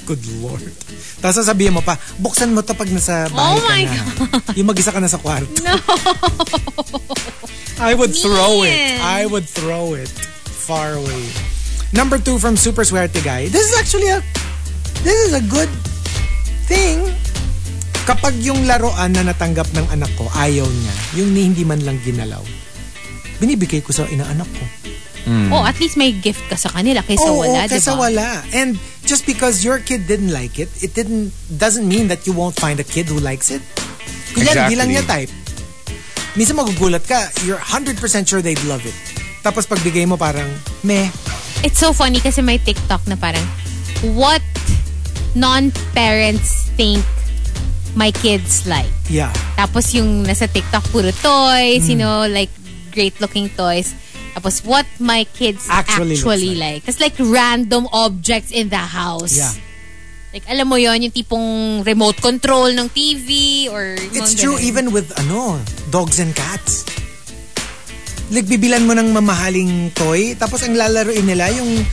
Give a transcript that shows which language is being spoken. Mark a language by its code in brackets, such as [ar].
[en] Good Lord. [tl] Tapos sasabihin mo pa, buksan mo to pag nasa bahay oh ka [en] my [tl] na. [en] God. [tl] Yung mag-isa ka na sa kwarto. [en] No. I would throw it. I would throw it far away. Number 2 from Super Swerte Guy. This is actually a good thing. [tl] Kapag yung laruan na natanggap ng anak ko, ayaw niya. Yung hindi man lang ginalaw. Binibigay ko sa inaanak ko. Mm. Oh, at least may gift ka sa kanila kaysa oh, wala, oh, kaysa diba? Wala. [en] And just because your kid didn't like it, doesn't mean that you won't find a kid who likes it. [tl] Kunyan, [en] exactly. [tl] Di lang niya type. Minsan magugulat ka, [en] you're 100% sure they'd love it. [tl] Tapos pagbigay mo parang, meh. [en] It's so funny [tl] kasi may TikTok na parang, [en] what non-parents think my kids like? Yeah. [tl] Tapos yung nasa TikTok, puro toys, [en] you know, like great looking toys. Tapos what my kids actually like. Tapos like random objects in the house. Yeah. [tl] Like, alam mo yon yung tipong remote control ng TV or... [en] It's true ganun. Even with, ano, dogs and cats. [tl] Like, bibilan mo ng mamahaling toy, tapos ang lalaroin nila yung...